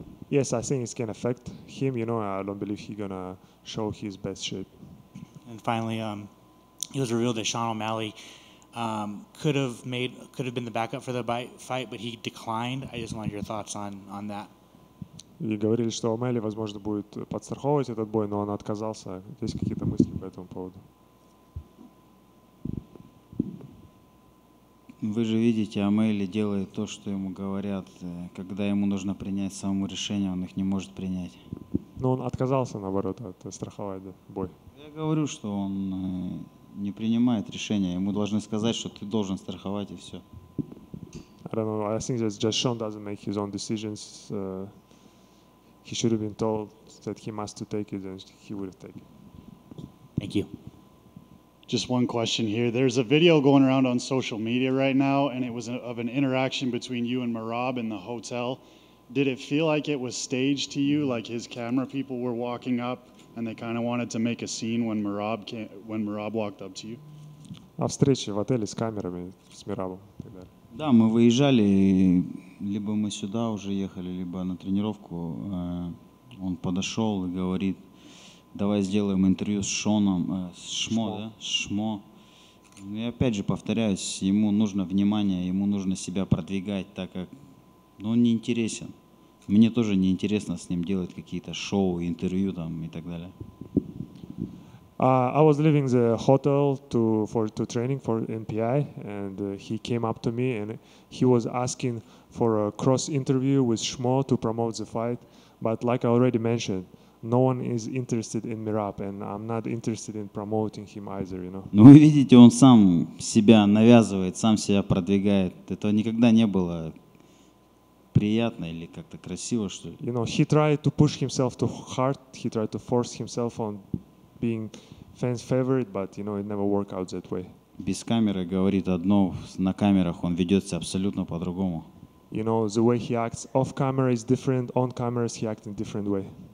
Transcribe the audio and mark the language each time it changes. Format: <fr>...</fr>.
<en>Yes, I think it's going to affect him. You know, I don't believe he's going to show his best shape. And finally, it was revealed that Sean O'Malley could have been the backup for the fight, but he declined. I just wanted your thoughts on that.</en> <ru>You говорили, что O'Malley, возможно, будет подстраховывать этот бой, но он отказался. Есть какие-то мысли по этому поводу? Вы же видите, O'Malley делает то, что ему говорят. Когда ему нужно принять само решение, он их не может принять. Но он отказался, наоборот, от страховать бой. Я говорю, что он не принимает решения. Ему должны сказать, что ты должен страховать, и все.</ru> <en>I don't know. I think that just Sean doesn't make his own decisions. He should have been told that he must to take it, and he would have taken it. Thank you. Just one question here. There's a video going around on social media right now, and it was of an interaction between you and Merab in the hotel. Did it feel like it was staged to you, like his camera people were walking up? And they kind of wanted to make a scene when Merab walked up to you.</en> <ru>А встреча в отеле с камерами, с Мирабом и так далее. Да, мы выезжали, либо мы сюда уже ехали, либо на тренировку. Он подошел и говорит: "Давай сделаем интервью с Шоном, с Шмо, да? Шмо". И опять же повторяюсь, ему нужно внимание, ему нужно себя продвигать, так как он не интересен. Мне тоже не интересно с ним делать какие-то шоу, интервью там и так далее.</ru> <en>I was leaving the hotel to training for MPI, and he came up to me and he was asking for a cross interview with Shmo to promote the fight. But like I already mentioned, no one is interested in Merab, and I'm not interested in promoting him either, you know.</en> <ru>Ну вы видите, он сам себя навязывает, сам себя продвигает. Это никогда не было. Приятно или как-то красиво, что ли?</ru> <en>You know, he tried to push himself too hard. He tried to force himself on being fans' favorite, but you know, it never worked out that way.</en> <ru>Без камеры говорит одно, на камерах он ведется абсолютно по-другому.</ru> <en>You know, the way he acts off camera is different. On cameras, he acts in different way.</en>